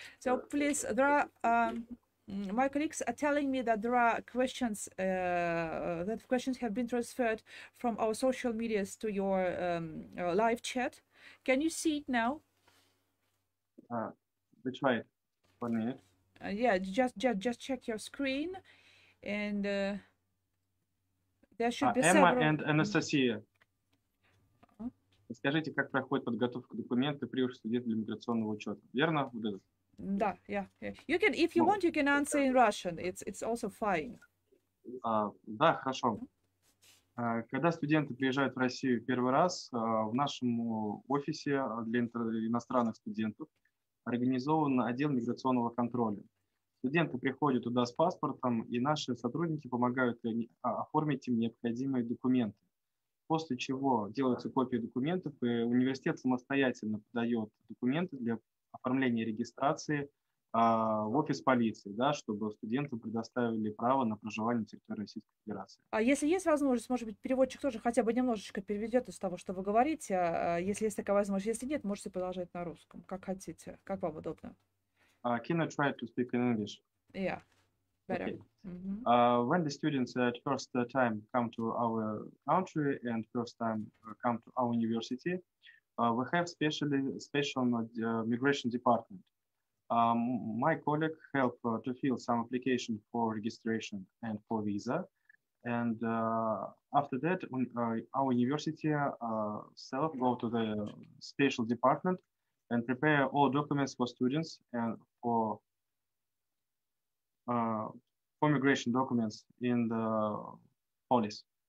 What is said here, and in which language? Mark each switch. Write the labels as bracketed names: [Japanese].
[English] So please, there are my colleagues are telling me that there are questions that questions have been transferred from our social medias to your live chat. Can you see it now? Which way? 1 minute. Just check your screen, and there should be Emma and Anastasia. [Russian] Скажите, как проходит подготовка документа при уже для миграционного учета? Верно? Вот это. Да, [English] yeah, yeah. You can, if you want, you can answer in Russian. It's also fine. [Russian] Да, хорошо. Когда студенты приезжают в Россию первый раз, в нашем офисе для иностранных студентов организован отдел миграционного контроля. Студенты приходят туда с паспортом, и наши сотрудники помогают оформить им необходимые документы. После чего делаются копии документов, и университет самостоятельно подает документы для оформления регистрации в офис полиции, да, чтобы студентам предоставили право на проживание на территории Российской Федерации. А если есть возможность, может быть, переводчик тоже хотя бы немножечко переведет из того, что вы говорите, если есть такая возможность. Если нет, можете продолжать на русском, как хотите, как вам удобно. [English] Can I try to speak in English? Yeah, better. Okay. Mm-hmm. When the students at first time come to our country and first time come to our university, we have special migration department. My colleague help to fill some application for registration and for visa, and after that our university self go to the special department and prepare all documents for students and for immigration documents in the police.